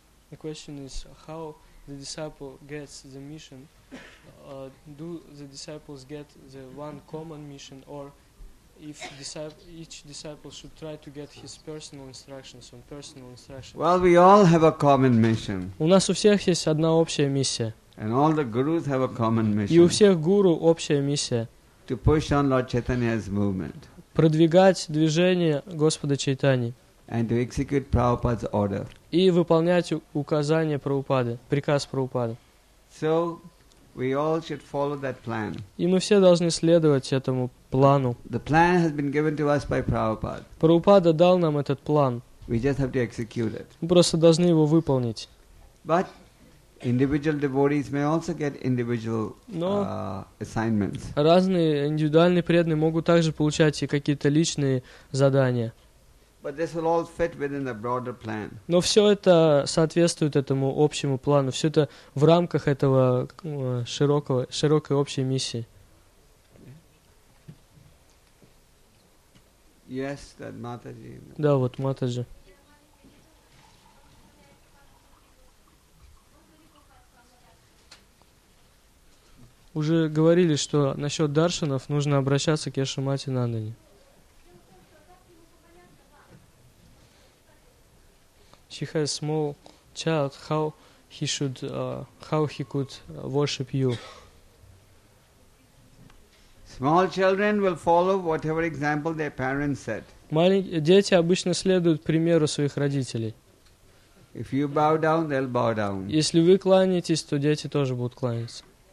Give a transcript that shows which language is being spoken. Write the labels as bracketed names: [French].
[English] The question is, how the disciple gets the mission? Do the disciples get the one common mission, or if each disciple should try to get his personal instructions on personal instructions? Well, we all have a common mission. [Russian] У нас у всех есть одна общая миссия. [English] And all the gurus have a common mission. [Russian] И у всех гуру общая миссия. [English] To push on Lord Chaitanya's movement. [Russian] Продвигать движение Господа Чайтани. [English] And to execute Prabhupada's order. [Russian] И выполнять указания Прабхупады, приказ Прабхупады. [English] So we all should follow that plan. [Russian] И мы все должны следовать этому плану. [English] The plan has been given to us by Prabhupada. [Russian] Прабхупада дал нам этот план. [English] We just have to execute it. [Russian] Мы просто должны его выполнить. [English] But individual devotees may also get individual assignments. [Russian] Разные индивидуальные преданные могут также получать и какие-то личные задания. [English] But this will all fit within the broader plan. [Russian] Но все это соответствует этому общему плану. Все это в рамках этого широкой общей миссии. [English] Yes, that Mataji. [Russian] Да, вот Матаджи. Уже говорили, что насчет даршанов нужно обращаться к Яшомати Нандане. [English] She has a small child. How he could worship you? Small children will follow whatever example their parents set. [Russian] Дети обычно следуют примеру своих родителей. [English] If you bow down, they'll bow down. [Russian] Если вы кланяетесь, то дети тоже будут кланяться.